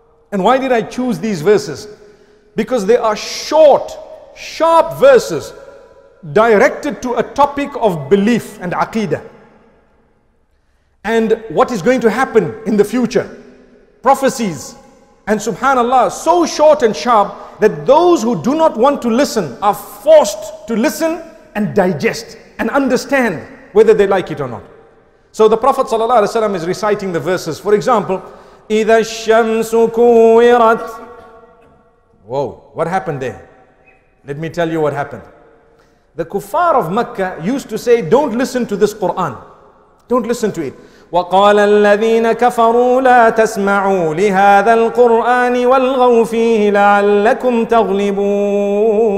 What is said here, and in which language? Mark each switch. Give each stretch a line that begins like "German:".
English: And why did I choose these verses? Because they are short, sharp verses directed to a topic of belief and aqidah, and what is going to happen in the future, prophecies. And subhanallah, so short and sharp that those who do not want to listen are forced to listen and digest and understand whether they like it or not. So the Prophet sallallahu alaihi wasallam is reciting the verses. For example,
Arabic: إِذَا الشَّمْسُ كُوِّرَتْ.
English: Whoa, what happened there? Let me tell you what happened. The kuffar of Mecca used to say, don't listen to this Quran. Don't listen to it.
Arabic: وَقَالَ الَّذِينَ كَفَرُوا لَا تَسْمَعُوا لِهَذَا الْقُرْآنِ وَالْغَوْا فِيهِ لَعَلَّكُمْ تَغْلِبُونَ.